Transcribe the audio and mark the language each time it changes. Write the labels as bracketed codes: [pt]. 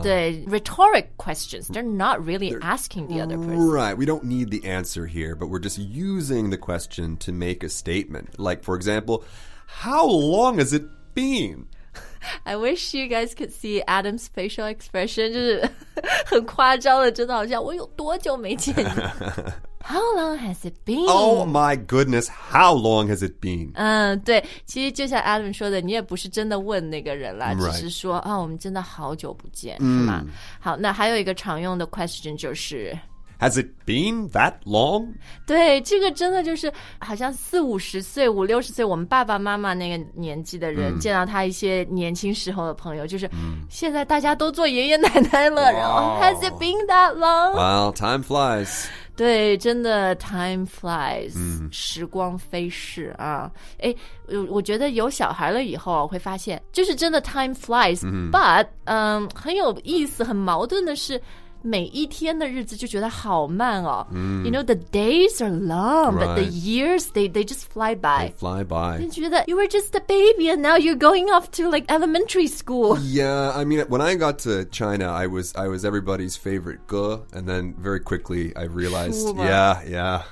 [en] The rhetoric questions. They're not really They're, asking the other person. Right. We don't need the answer here, but we're just using the question to make a statement. Like, for example, how long has it been? I wish you guys could see Adam's facial expression. [zh] 就是很夸张的，真的好像我有多久没见你。 [en] How long has it been? Oh my goodness, how long has it been? [zh] 对，其实就像 Adam 说的，你也不是真的问那个人啦、 [en] right. [zh] 只是说、哦、我们真的好久不见、mm. 是吗？好，那还有一个常用的 question 就是 [en] Has it been that long? [zh] 对，这个真的就是好像四五十岁、五六十岁，我们爸爸妈妈那个年纪的人、mm. 见到他一些年轻时候的朋友，就是、mm. 现在大家都做爷爷奶奶了、 [en] wow. [zh] 然后 [en] Has it been that long? Well, time flies. [zh] 对，真的 time flies、mm. 时光飞逝啊！哎，我觉得有小孩了以后会发现就是真的 time flies、 mm. but 很有意思很矛盾的是每一天的日子就觉得好慢哦、 mm. [en] You know, the days are long、 right. But the years, they just fly by. They fly by. [zh] 你觉得 [en] you were just a baby and now you're going off to like elementary school. Yeah, I mean, when I got to China, I was everybody's favorite ge. And then very quickly, I realized, yeah, yeah.